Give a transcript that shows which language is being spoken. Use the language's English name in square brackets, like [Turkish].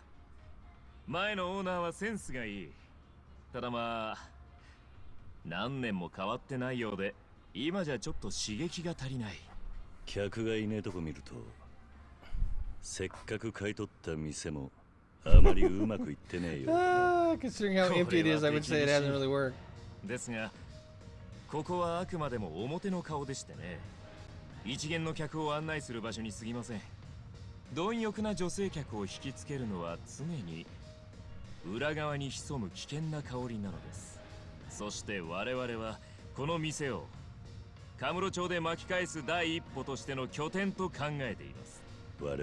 [Japanese] ずいぶんお時間がかかったので心配しましたよ、桐生さん。お前は部下のしつけがなってねえらしいな。ゲストに手荒い歓迎とは恐れいる。私の部下たちが？それは失礼を。まさかそんなバカはすまいと高をくくっていました。後できっちり叱っておきましょう。それよりいい店でしょ。前のオーナーはセンスがいい。ただまあ、何年も変わってないようで、今じゃちょっと刺激が足りない。客がいねえとこ見ると、せっかく買い取った店もあまりうまくいってねえよ。 [English] Considering how empty it is, I would say it hasn't really worked. [Japanese] ですが、ここはあくまでも表の顔でしてね。一元の客を案内する場所にすぎません。貪欲な女性客を引きつけるのは常に裏側に潜む危険な香りなのです。そして我々はこの店をカムロ町で巻き返す第一歩としての拠点と考えています。